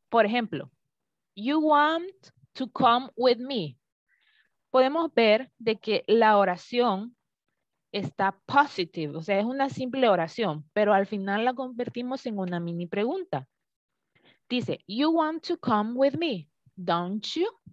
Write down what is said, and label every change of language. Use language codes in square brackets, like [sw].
[en] Por ejemplo, you want to come with me. [es] Podemos ver de que la oración está positive, o sea, es una simple oración, pero al final la convertimos en una mini pregunta. [en] Dice, you want to come with me, don't you?